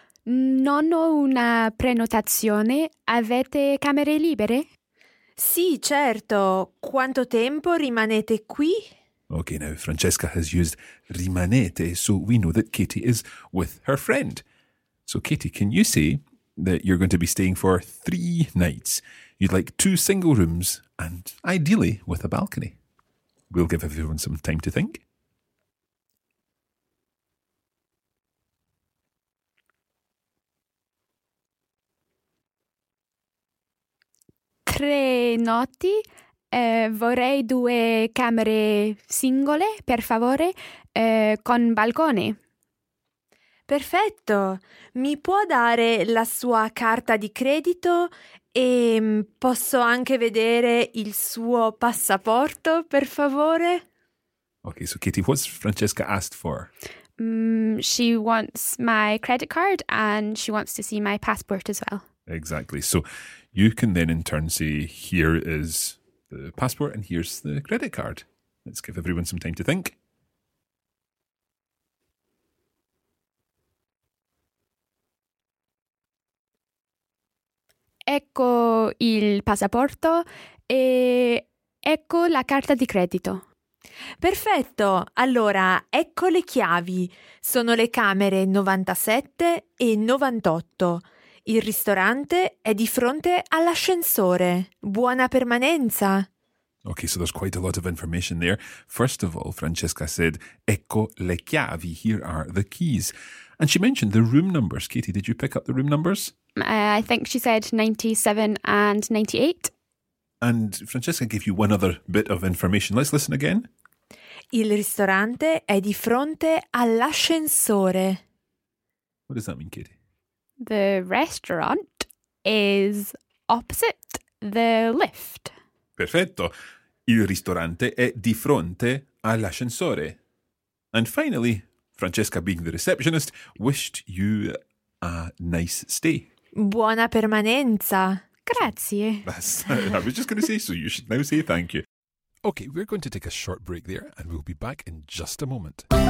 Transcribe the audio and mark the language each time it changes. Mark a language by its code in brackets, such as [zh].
[it] Non ho una prenotazione. Avete camere libere? Sì, certo. Quanto tempo rimanete qui? [en] Okay, now Francesca has used rimanete, so we know that Katie is with her friend. So Katie, can you say that you're going to be staying for 3 nights? You'd like 2 single rooms and ideally with a balcony. We'll give everyone some time to think. [it] Tre notti, vorrei 2 camere singole, per favore, con balcone. Perfetto, mi può dare la sua carta di credito e posso anche vedere il suo passaporto, per favore? [en] Okay, so Katie, what's Francesca asked for? She wants my credit card and she wants to see my passport as well. Exactly, so you can then in turn say, here is the passport and here's the credit card. Let's give everyone some time to think. [it] Ecco il passaporto e ecco la carta di credito. Perfetto, allora ecco le chiavi. Sono le camere 97 e 98. Il ristorante è di fronte all'ascensore. Buona permanenza. [en] Okay, so there's quite a lot of information there. First of all, Francesca said, [it] ecco le chiavi, [en] here are the keys. And she mentioned the room numbers. Katie, did you pick up the room numbers? I think she said 97 and 98. And Francesca gave you one other bit of information. Let's listen again. [it] Il ristorante è di fronte all'ascensore. [en] What does that mean, Katie? The restaurant is opposite the lift. [it] Perfetto. Il ristorante è di fronte all'ascensore. [en] And finally, Francesca, being the receptionist, wished you a nice stay. [it] Buona permanenza. Grazie. [en] I was just going to say, so you should now say thank you. Okay, we're going to take a short break there and we'll be back in just a moment.